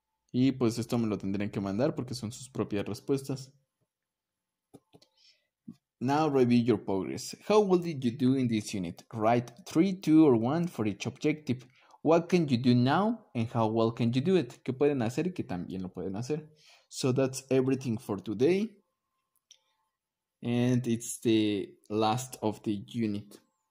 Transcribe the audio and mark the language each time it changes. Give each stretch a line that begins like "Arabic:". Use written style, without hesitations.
Spanish: Y pues esto me lo tendrían que mandar porque son sus propias respuestas.
English: Now review your progress. How well did you do in this unit? Write 3, 2, or 1 for each objective. What can you do now and how well can you do it?
Spanish: ¿Qué pueden hacer y qué también lo pueden hacer?
English: So that's everything for today. And it's the last of the unit.